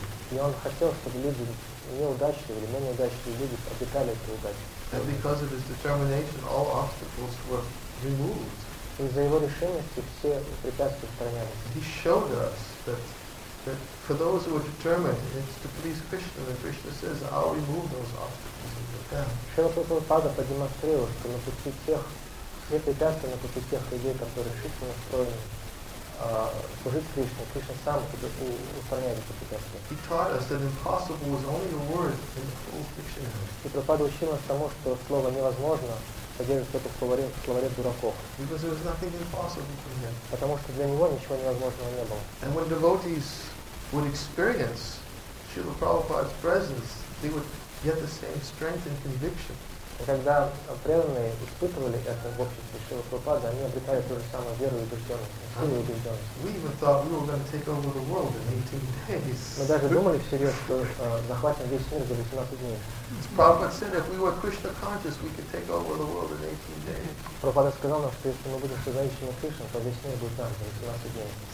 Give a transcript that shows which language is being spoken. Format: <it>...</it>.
<ru>И он хотел, чтобы люди неудачливые или менее удачливые люди обретали эту удачу.</ru> <en>And because of his determination, all obstacles were removed.</en> <ru>Из-за его решимости все препятствия устранялись.</ru> <en>He showed us that for those who are determined, it's to please Krishna. And Krishna says, I'll remove those obstacles in Japan.</en> <ru>Шрила Прабхупада продемонстрировал, что на пути тех, все препятствия на пути тех людей, которые решительно настроены служить Кришне, Кришна сам устраняет эти препятствия.</ru> <en>He taught us that impossible was only a word in the full dictionary.</en> <ru>И Прабхупада учил нас тому, что слово невозможно содержится только в словаре дураков.</ru> <en>Because there was nothing impossible for him.</en> <ru>Потому что для него ничего невозможного не было.</ru> <en>And when devotees would experience Srila Prabhupada's presence, they would get the same strength and conviction.</en> <ru>И когда преданные испытывали это в обществе Шрилы Прабхупады, они обретали ту же самую веру и убежденность.</ru> <en>We even thought we were going to take over the world in 18 days.</en> <ru>Мы даже думали всерьез, что захватим весь мир за 18 дней.</ru> <en>Prabhupada said, if we were Krishna conscious, we could take over the world in 18 days.</en> <ru>Прабхупада сказал нам, что если мы будем сознающими Кришной, то весь мир будет нам за 18 дней.</ru>